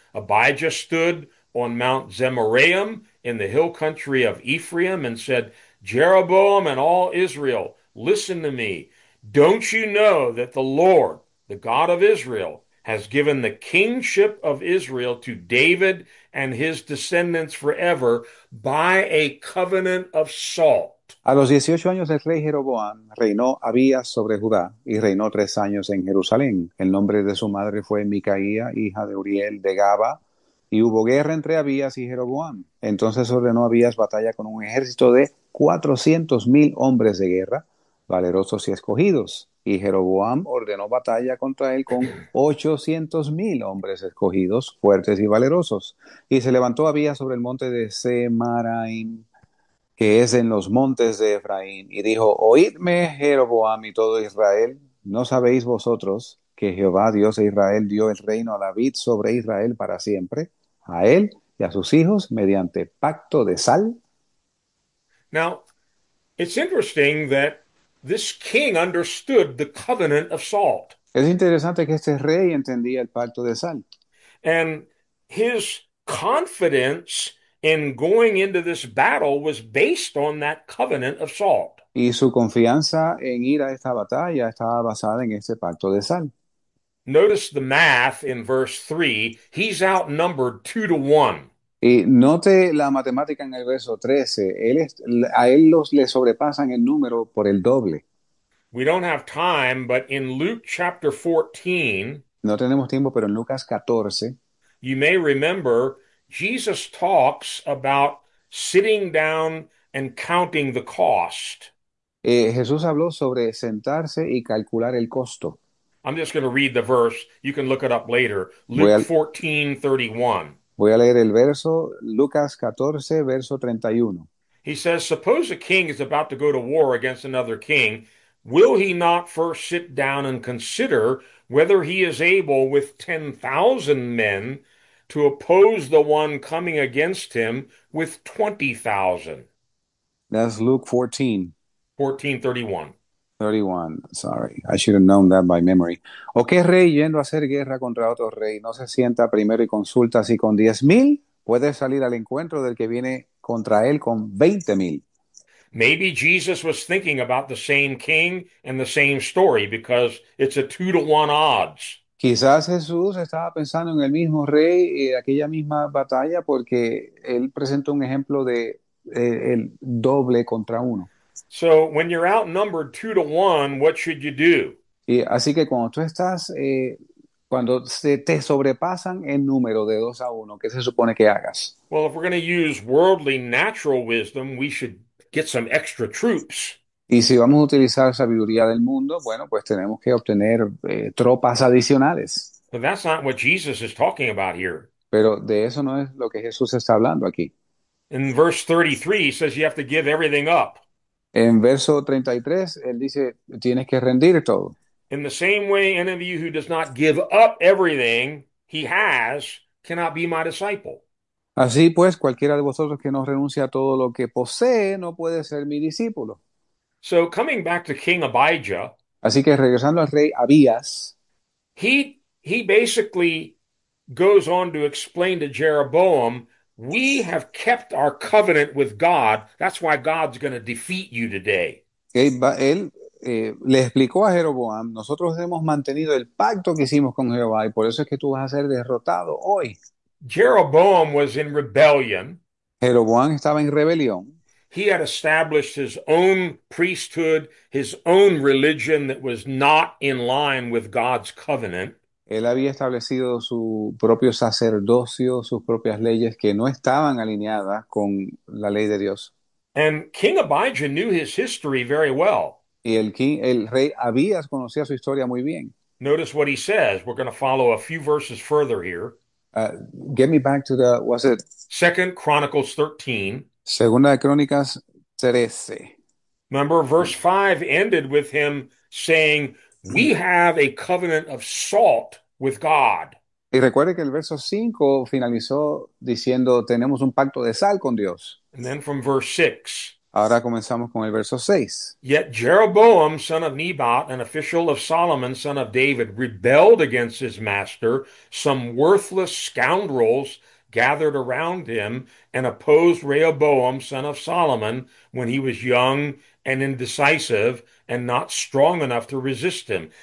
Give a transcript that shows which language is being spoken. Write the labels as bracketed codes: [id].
[en] Abijah stood on Mount Zemaraim in the hill country of Ephraim and said, Jeroboam and all Israel, listen to me. Don't you know that the Lord, the God of Israel, has given the kingship of Israel to David and his descendants forever by a covenant of salt? [es] A los 18 años del rey Jeroboam reinó Abías sobre Judá y reinó 3 años en Jerusalén. El nombre de su madre fue Micaía, hija de Uriel de Gaba, y hubo guerra entre Abías y Jeroboam. Entonces ordenó Abías batalla con un ejército de 400.000 hombres de guerra, valerosos y escogidos. Y Jeroboam ordenó batalla contra él con 800.000 hombres escogidos, fuertes y valerosos. Y se levantó Abías sobre el monte de Semaraim, que es en los montes de Efraín, y dijo, oídme, Jeroboam y todo Israel, ¿no sabéis vosotros que Jehová, Dios de Israel, dio el reino a David sobre Israel para siempre, a él y a sus hijos, mediante pacto de sal? [en] Now, it's interesting that this king understood the covenant of salt. [es] Es interesante que este rey entendía el pacto de sal. [en] And his confidence in going into this battle was based on that covenant of salt. [es] Y su confianza en ir a esta batalla estaba basada en ese pacto de sal. [en] Notice the math in verse 3. He's outnumbered 2 to 1. [es] Y note la matemática en el verso 13. A él los le sobrepasan el número por el doble. [en] We don't have time, but in Luke chapter 14, [es] No tenemos tiempo, pero en Lucas 14. [en] you may remember Jesus talks about sitting down and counting the cost. [es] Jesús habló sobre sentarse y calcular el costo. [en] I'm just going to read the verse. You can look it up later. [es] Voy [en] Luke [es] a [en] 14, 31. [es] leer el verso, Lucas 14, verso 31. [en] He says, suppose a king is about to go to war against another king. Will he not first sit down and consider whether he is able with 10,000 men to oppose the one coming against him with 20,000? That's Luke 14. 14:31. 31, sorry, I should have known that by memory. [es] ¿O qué rey yendo a hacer guerra contra otro rey no se sienta primero y consulta si con 10.000 puede salir al encuentro del que viene contra él con 20.000? [en] Maybe Jesus was thinking about the same king and the same story because it's a 2-to-1 odds. [es] Quizás Jesús estaba pensando en el mismo rey y aquella misma batalla porque él presentó un ejemplo de el doble contra uno. [en] So when you're outnumbered 2-to-1, what should you do? [es] Y así que cuando tú estás, cuando se te sobrepasan en número de 2-1, ¿qué se supone que hagas? [en] Well, if we're going to use worldly natural wisdom, we should get some extra troops. [es] Y si vamos a utilizar sabiduría del mundo, bueno, pues tenemos que obtener tropas adicionales. [en] But that's not what Jesus is talking about here. [es] Pero de eso no es lo que Jesús está hablando aquí. [en] In verse 33, he says you have to give everything up. [es] En verso 33, él dice, tienes que rendir todo. [en] In the same way, any of you who does not give up everything he has cannot be my disciple. [es] Así pues, cualquiera de vosotros que no renuncie a todo lo que posee no puede ser mi discípulo. [en] So coming back to King Abijah, [es] Así que regresando al rey Abías. [en] he basically goes on to explain to Jeroboam, we have kept our covenant with God. That's why God's going to defeat you today. [es] Él le explicó a Jeroboam, nosotros hemos mantenido el pacto que hicimos con Jehová y por eso es que tú vas a ser derrotado hoy. [en] Jeroboam was in rebellion. [es] Jeroboam estaba en rebelión. [en] He had established his own priesthood, his own religion that was not in line with God's covenant. [es] Él había establecido su propio sacerdocio, sus propias leyes que no estaban alineadas con la ley de Dios. [en] And King Abijah knew his history very well. [es] Y el rey Abías conocía su historia muy bien. [en] Notice what he says. We're going to follow a few verses further here. Get me back to the, was it? Second Chronicles 13. [es] Segunda de Crónicas 13. [en] Remember, verse 5 ended with him saying, we have a covenant of salt with God. [es] Y recuerde que el verso 5 finalizó diciendo, tenemos un pacto de sal con Dios. [en] And then from verse 6, [es] Ahora comenzamos con el verso 6. [en] yet Jeroboam, son of Nebat, an official of Solomon, son of David, rebelled against his master. Some worthless scoundrels gathered around him and opposed Rehoboam, son of Solomon, when he was young and indecisive and not strong enough to resist him.